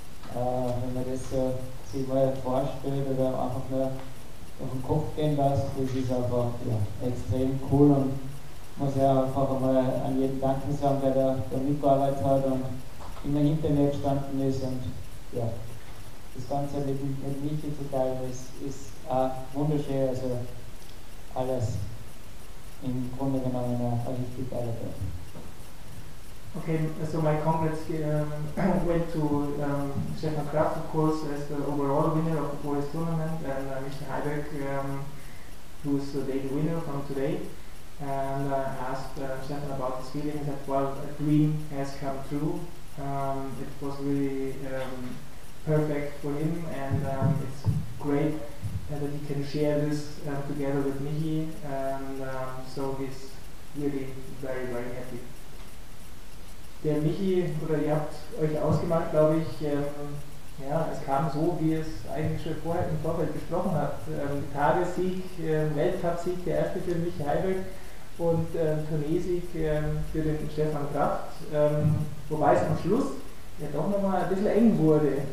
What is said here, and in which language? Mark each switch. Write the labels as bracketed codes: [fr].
[de] Wenn man das so sich mal vorstellt oder einfach nur auf den Kopf gehen lässt, das ist einfach ja, extrem cool und ich muss ja einfach einmal an jeden danken sagen, der da mitgearbeitet hat und immer hinter mir gestanden ist. Und ja, das Ganze mit Michi zu teilen ist auch wunderschön. Also alles im Grunde genommen eine richtig geile Welt. [en] Okay, so my congrats went to Stefan Kraft, of course, as the overall winner of the boys tournament, and Michi Hayböck, who's the daily winner from today. And I asked Stefan about his feeling, that well, a dream has come true. It was really perfect for him, and it's great that he can share this together with Michi, and so he's really very, very happy. [de] Der Michi, oder ihr habt euch ausgemacht, glaube ich, ja, es kam so, wie es eigentlich schon vorher im Vorfeld besprochen hat. Tagessieg, Weltcup-Sieg, der erste für Michi Hayböck. Und Tourneesieg für den Stefan Kraft, wobei es am Schluss ja doch nochmal ein bisschen eng wurde.